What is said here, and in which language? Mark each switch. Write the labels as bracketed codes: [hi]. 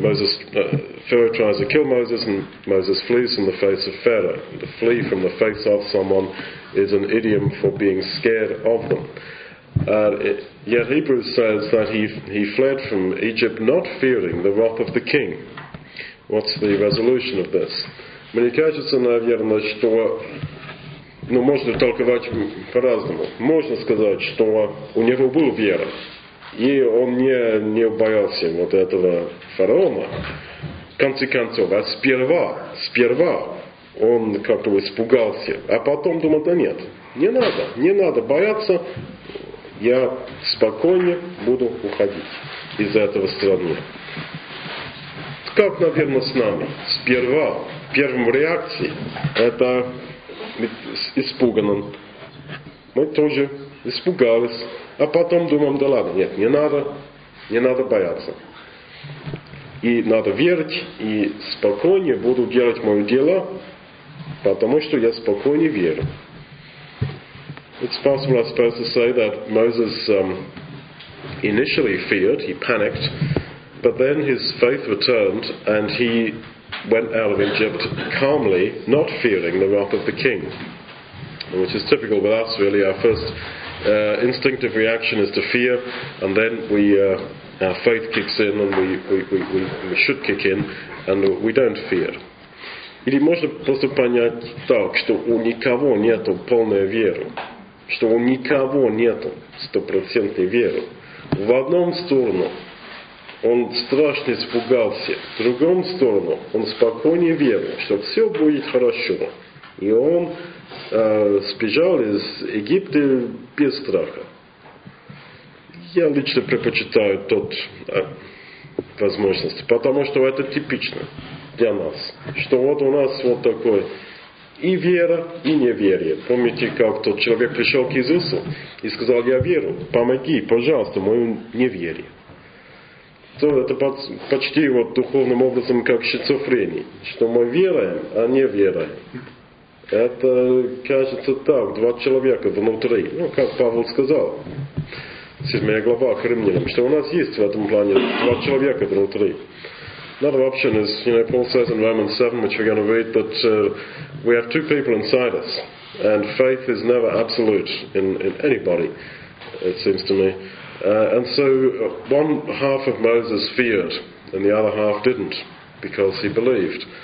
[en] Moses, Pharaoh tries to kill Moses, and Moses flees from the face of Pharaoh. To flee from the face of someone is an idiom for being scared of them. Yet Hebrews says that he fled from Egypt not fearing the wrath of the king. What's the resolution of this? [ru] Мне кажется, наверное, что... Ну, можно толковать по-разному. Можно сказать, что у него была вера. И он не боялся вот этого фараона. В конце концов, а сперва он как-то испугался. А потом думал, да нет, не надо бояться. Я спокойнее буду уходить из этого страны. Как, наверное, с нами? Сперва, в первом реакции, это... испуганным. Мы тоже испугались. А потом думаем, да ладно, нет, не надо бояться. И надо верить, и спокойнее буду делать мое дело, потому что я спокойнее верю. [en] It's possible, I suppose, to say that Moses initially feared, he panicked, but then his faith returned, and he went out of Egypt calmly, not fearing the wrath of the king. Which is typical with us, really. Our first instinctive reaction is to fear, and then our faith kicks in, and we should kick in, and we don't fear. [ru] Или можно просто понять так, что у никого нету полной веры, что у никого нету стопроцентной веры. В одном сторону он страшно испугался. В другом сторону он спокойнее верил, что все будет хорошо. И он сбежал из Египта без страха. Я лично предпочитаю тот возможность, потому что это типично для нас. Что вот у нас вот такое и вера, и неверие. Помните, как тот человек пришел к Иисусу и сказал, я верю, помоги, пожалуйста, мое неверие. То это почти вот духовным образом как шизофрения, что мы веруем, а не веруем. Это кажется так, два человека внутри. Ну, как Павел сказал, 7 глава к Римлянам, что у нас есть в этом плане два человека внутри. [en] Another option is, you know, Paul says in Romans 7, which we're going to read, that we have two people inside us, and faith is never absolute in anybody, it seems to me. And so one half of Moses feared and the other half didn't because he believed.